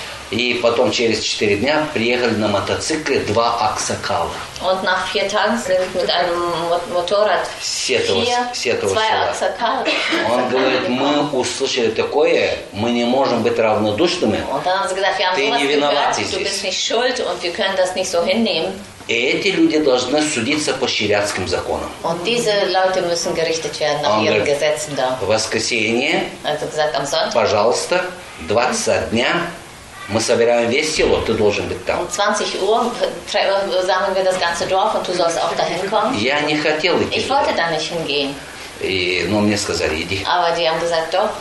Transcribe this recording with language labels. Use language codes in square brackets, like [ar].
[ru] И потом через 4 дня приехали на мотоцикле 2 аксакала. [de] Und nach 4 Tagen sind mit einem Motorrad 2 [ru] аксакала. Он говорит, мы услышали такое, мы не можем быть равнодушными. [de] Und dann haben sie gesagt, wir haben sowas gehört, du bist nicht schuld und wir können das nicht so hinnehmen. [ru] И эти люди должны судиться по шариатским законам. [de] Und diese Leute müssen gerichtet werden nach ihren Gesetzen da. [ru] В воскресенье, [de] gesagt, am Sonntag, [ru] пожалуйста, 20 дня. Мы собираем весь село, ты должен быть там. [de] 20 Uhr sammeln wir das ganze Dorf und du sollst auch dahin kommen. [ru] Я не хотел идти. [de] Ich wollte da nicht hingehen. [ru] Но мне сказали, иди. [de] Aber die haben gesagt, doch.